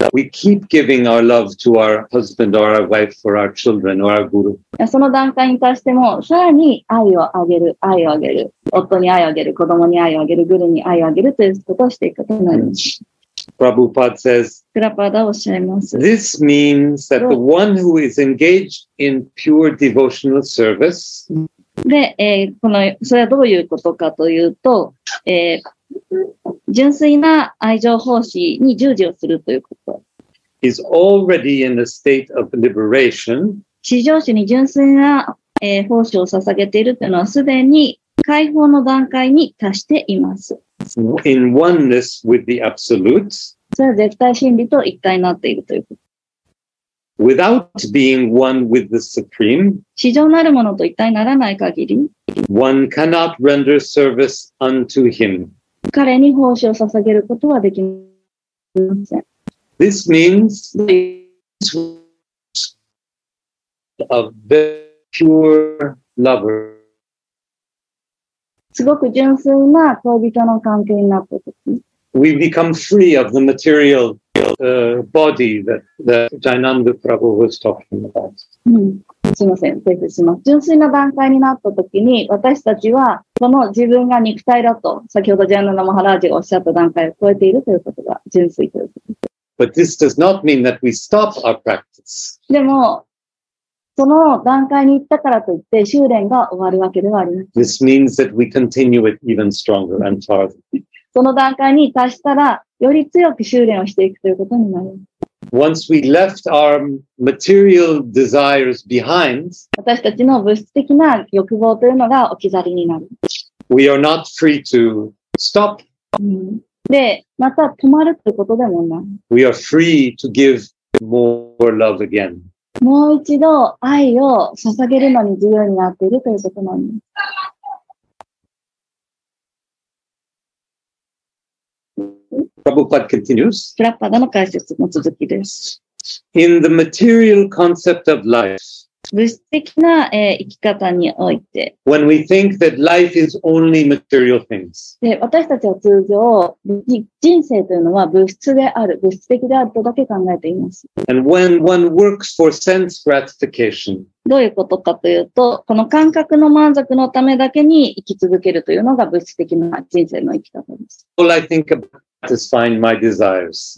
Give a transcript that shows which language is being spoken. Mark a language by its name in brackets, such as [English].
[English] We keep giving our love to our husband or our wife or our children or our guru. [Japanese] その段階に対してもさらに愛をあげる、愛をあげる、夫に愛をあげる、子供に愛をあげる、グルに愛をあげるということをしていくことになります。 [English] Prabhupada says, this means that the one who is engaged in pure devotional service, [Japanese] で、この、それはどういうことかというと、純粋な愛情奉仕に従事をするということ。 [English] is already in a state of liberation. [Japanese] 至上主に純粋な、奉仕を捧げているというのはすでに解放の段階に達しています。 [English] In oneness with the absolute. [Japanese] それは絶対真理と一体になっているということ。 [English] Without being one with the supreme. [Japanese] 至上なるものと一体ならない限り。 [English] One cannot render service unto him. [Japanese] 彼に奉仕を捧げることはできません。 [English] This means a very pure lover. [Japanese] すごく純粋な恋人の関係になったとき。 [English] We become free of the material, body that, Jayananda Prabhu was talking about. [Japanese] うん。すいません。訂正します。純粋な段階になったときに、私たちは、この自分が肉体だと、先ほどジャイナンダ・マハラージがおっしゃった段階を超えているということが、純粋ということです。 [English] But this does not mean that we stop our practice. [Japanese] でも、その段階に行ったからといって修練が終わるわけではありません。 [English] This means that we continue it even stronger and farther. [Japanese] その段階に達したらより強く修練をしていくということになります。 [English] Once we left our material desires behind, [Japanese] 私たちの物質的な欲望というのが置き去りになる。 [English] We are not free to stop. [Japanese] で、また止まるということでもない。 [English] We are free to give more love again. [Japanese] もう一度愛を捧げるのに自由になっているということなんです。 [English] Prabhupada continues. [Japanese] プラッパダの解説の続きです。 [English] In the material concept of life, [Japanese] 物質的な生き方において、 [English] when we think that life is only material things, [Japanese] で私たちは通常、人生というのは物質である、物質的であるとだけ考えています。 [English] And when one works for sense gratification, [Japanese] どういうことかというと、この感覚の満足のためだけに生き続けるというのが物質的な人生の生き方です。 [English] All I think about is find my desires.